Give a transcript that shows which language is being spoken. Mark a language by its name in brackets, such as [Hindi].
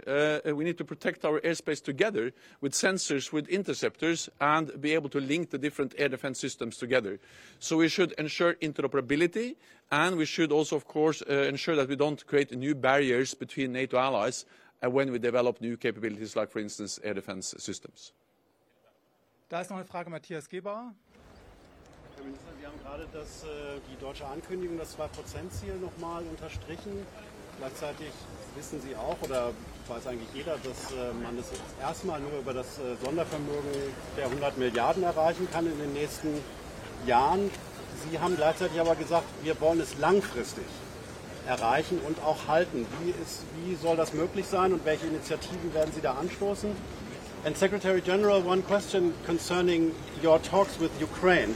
[English] We need to protect our airspace together with sensors, with interceptors, and be able to link the different air defense systems together. So we should ensure interoperability, and we should also, of course, ensure that we don't create new barriers between NATO allies when we develop new capabilities, like, for instance, air defense systems. [German] Da ist noch eine Frage, Matthias Gebauer. Herr Minister, Sie haben gerade das, die deutsche Ankündigung, das 2%-Ziel nochmal unterstrichen. Gleichzeitig wissen Sie auch, oder weiß eigentlich jeder, dass man das erstmal nur über das Sondervermögen der 100 Milliarden erreichen kann in den nächsten Jahren. Sie haben gleichzeitig aber gesagt, wir wollen es langfristig erreichen und auch halten. Wie soll das möglich sein und welche Initiativen werden Sie da anstoßen? [English] And Secretary General, one question concerning your talks with Ukraine.